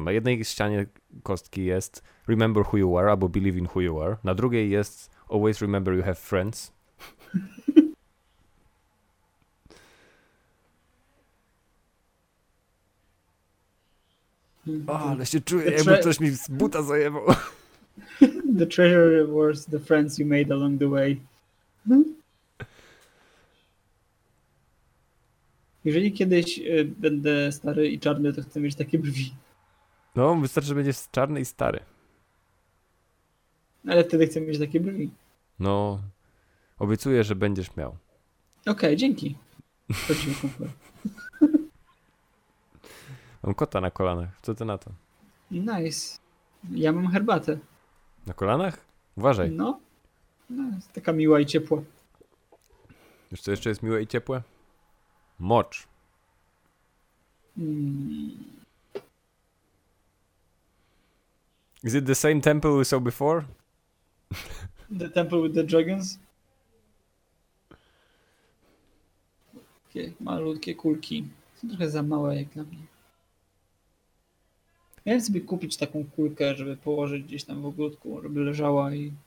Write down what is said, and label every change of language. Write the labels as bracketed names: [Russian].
[Polish] Na jednej ścianie kostki jest [English] remember who you are [Polish] albo [English] believe in who you are. [Polish] Na drugiej jest [English] always remember you have friends. [Polish] Ale się czuję, jakby coś mi z buta zajebał. [English] The treasure was the friends you made along the way. [Polish] Jeżeli kiedyś będę stary i czarny, to chcę mieć takie brwi. No, wystarczy, że będziesz czarny i stary. Ale wtedy chcę mieć takie brwi. No, obiecuję, że będziesz miał. Okej, okay, dzięki. Chodźmy, kumple. Mam kota na kolanach, co ty na to? Nice. Ja mam herbatę. Na kolanach? Uważaj. No, jest taka miła i ciepła. Wiesz, co jeszcze jest miłe i ciepłe? Mocz. [English] Is it the same temple we saw before? The temple with the dragons? [Polish] Takie malutkie kulki. Są trochę za małe jak dla mnie. Miałem sobie kupić taką kulkę, żeby położyć gdzieś tam w ogródku, żeby leżała i...